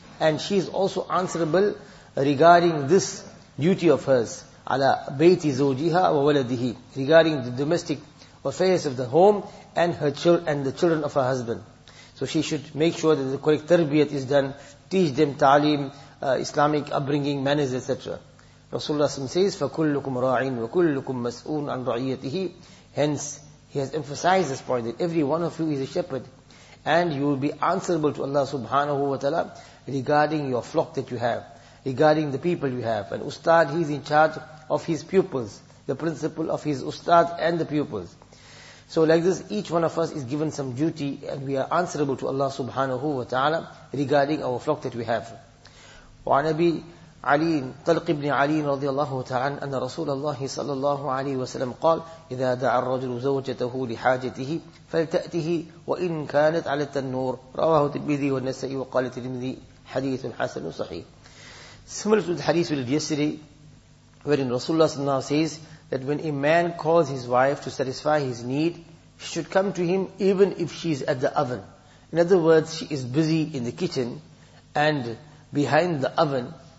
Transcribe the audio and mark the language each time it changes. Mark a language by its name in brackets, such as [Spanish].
[English] And she is also answerable regarding this duty of hers. [Arabic] Ala bayti zawjiha wa waladihi. [English] Regarding the domestic affairs of the home and her and the children of her husband. So she should make sure that the correct tarbiyat is done, teach them ta'lim, Islamic upbringing, manners, etc. Rasulullah says, [Arabic] فَكُلُّكُمْ رَاعٍ وَكُلُّكُمْ مَسْؤُونَ عَنْ رَعِيَّتِهِ. [English] Hence, he has emphasized this point, that every one of you is a shepherd, and you will be answerable to Allah subhanahu wa ta'ala regarding your flock that you have, regarding the people you have. And ustad, he is in charge of his pupils, the principal of his ustad and the pupils. So like this, each one of us is given some duty, and we are answerable to Allah subhanahu wa ta'ala regarding our flock that we have. [Arabic] وَعَنَبِي عَلِيٍ طَلْقِ بْنِ عَلِيٍ رَضِيَ اللَّهُ تَعَانَ أَنَّ رَسُولَ اللَّهِ صَلَى اللَّهُ عَلَيْهِ وَسَلَمْ قَالْ إِذَا دَعَ الرَّجُلُ زَوْجَتَهُ لِحَاجَتِهِ فَلْتَأْتِهِ وَإِنْ كَانَتْ عَلَى التَّنُّورِ. رواه الترمذي والنسائي وقال الترمذي حديث حسن صحيح. [English] Similar to the hadith we did yesterday, wherein Rasulullah sallallahu alayhi wa sallam says that when a man calls his wife to satisfy his need, she should come to him even if she is at the oven. In other words, she is busy in the kitchen and behind the oven.